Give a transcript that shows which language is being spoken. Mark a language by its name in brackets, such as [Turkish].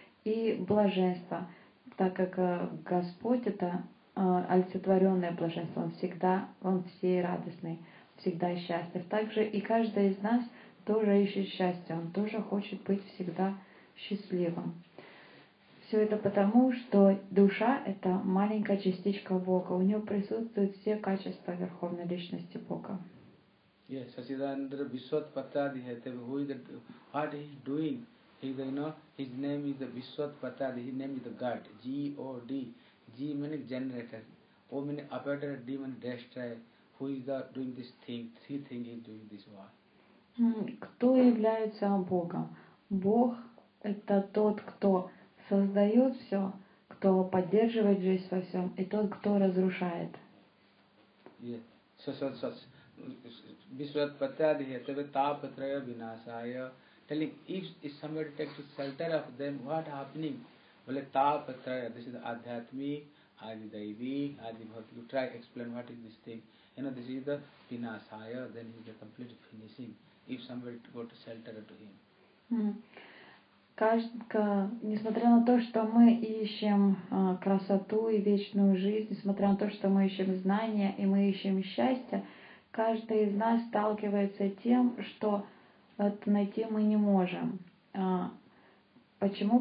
[Russian] И блаженство, так как Господь — это олицетворенное блаженство, он все радостный, всегда счастлив. Также и каждый из нас тоже ищет счастье, он тоже хочет быть всегда счастливым. Все это потому, что душа — это маленькая частичка Бога, у нее присутствуют все качества Верховной Личности Бога. [English] Yes, Sachidananda Vishwatpatadi has told who is that, what he is doing. He is, you know, his name is the Vishwatpatadi, his name is the God, G-O-D. G means generator, O means operator, D means destroyer. Who is the doing this thing? Three things he is doing this one. [Russian] Кто является Богом? Бог – это тот, кто создает все, кто поддерживает жизнь во всем, и тот, кто разрушает. [English] Yes, yes, yes, yes. Vishwatpatadi has told Tapatraya Vinasaya. Telling if somebody takes shelter of them, what happening? Well, Tapatraya, this is Adhyatmi, Adi Daivi, Adi Bhakti. You try explain what is this thing. You know, this is the Vinasaya, then he is the complete finishing. If somebody go to shelter to him. [Russian] Несмотря на то, что мы ищем красоту и вечную жизнь, несмотря на то, что мы ищем знания и мы ищем счастье, каждый из нас сталкивается тем, что это найти мы не можем. Почему?